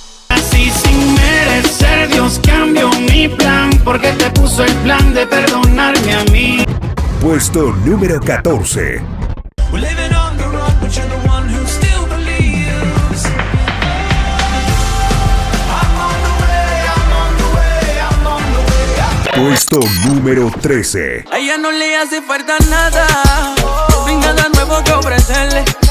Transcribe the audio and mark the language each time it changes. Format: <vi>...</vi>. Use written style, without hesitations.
<es>Así sin merecer, Dios cambió mi plan, porque te puso el plan de perdonarme a mí. Puesto número 14.</es> <en>We're living on the run, but you're the one who still believes. I'm on the way, I'm on the way, I'm on the way.</en> <es>Puesto número 13. A ella no le hace falta nada, oh, ni nada nuevo que ofrecerle.</es>